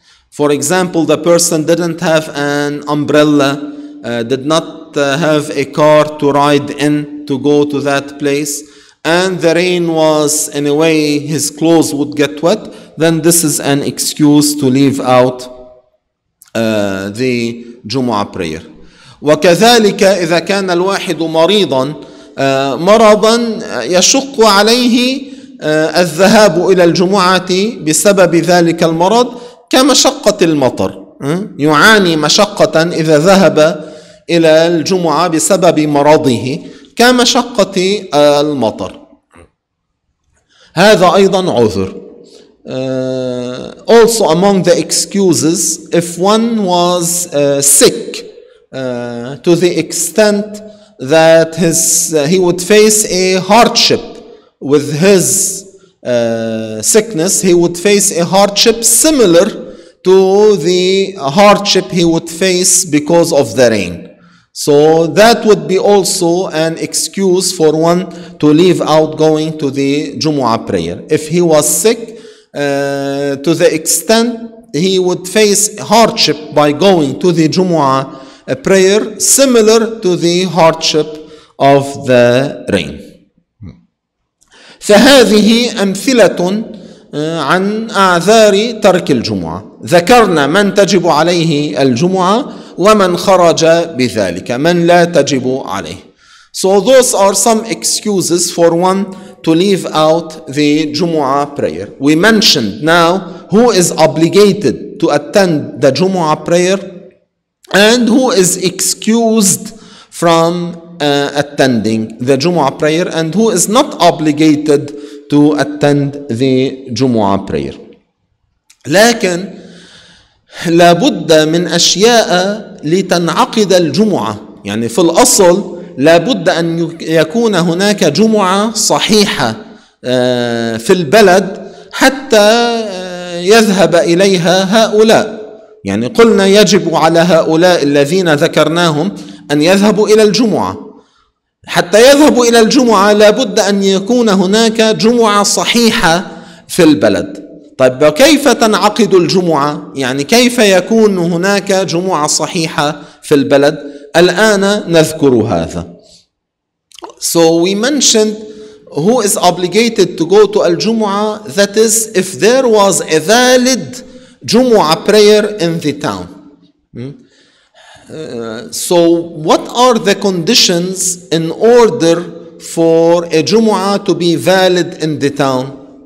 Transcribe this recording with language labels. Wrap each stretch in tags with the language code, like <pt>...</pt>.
<en>For example, the person didn't have an umbrella, did not have a car to ride in to go to that place, and the rain was in a way his clothes would get wet, then this is an excuse to leave out the Jumu'ah prayer.</en> <ar>وكذلك إذا كان الواحد مريضا مرضا يشق عليه الذهاب إلى الجمعة بسبب ذلك المرض كمشقة المطر. يعاني مشقة إذا ذهب إلى الجمعة بسبب مرضه كمشقة المطر. هذا أيضا عذر.</ar> <en>Also among the excuses, if one was sick to the extent that he would face a hardship with his sickness, he would face a hardship similar to the hardship he would face because of the rain. So that would be also an excuse for one to leave out going to the Jumu'ah prayer. If he was sick to the extent he would face hardship by going to the Jumu'ah prayer similar to the hardship of the rain.</en> <ar>فهذه أمثلة عن أعذار ترك الجمعة، ذكرنا من تجب عليه الجمعة ومن خرج بذلك، من لا تجب عليه.</ar> <en>So those are some excuses for one to leave out the Jumu'ah prayer. We mentioned now who is obligated to attend the Jumu'ah prayer and who is excused from attending the Jumu'ah prayer and who is not obligated to attend the Jumu'ah prayer.</en> <ar>لكن لابد من أشياء لتنعقد الجمعة، يعني في الأصل لابد أن يكون هناك جمعة صحيحة في البلد حتى يذهب إليها هؤلاء. يعني قلنا يجب على هؤلاء الذين ذكرناهم أن يذهبوا إلى الجمعة، حتى يذهبوا إلى الجمعة لابد أن يكون هناك جمعة صحيحة في البلد. طيب كيف تنعقد الجمعة؟ يعني كيف يكون هناك جمعة صحيحة في البلد؟ الآن نذكر هذا.</ar> <en>So we mentioned who is obligated to go to Al-Jumu'ah, that is if there was a valid Jumu'ah prayer in the town. So what are the conditions in order for a Jumu'ah to be valid in the town?</en>